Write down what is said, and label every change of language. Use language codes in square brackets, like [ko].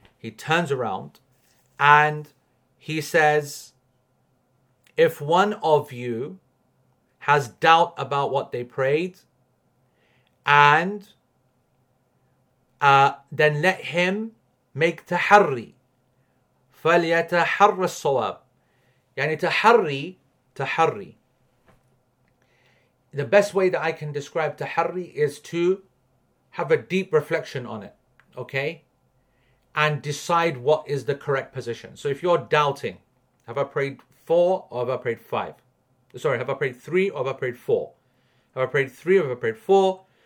[en] He turns around and he says, if one of you has doubt about what they prayed, and then let him make taharri. [ar] فَلْيَتَحَرَّ الصَّوَابِ يعني تحري, تحري. [en] The best way that I can describe taharri is to have a deep reflection on it, okay? And decide what is the correct position. So if you're doubting, have I prayed four or have I prayed five? Sorry, have I prayed three or have I prayed four? Have I prayed three or have I prayed four?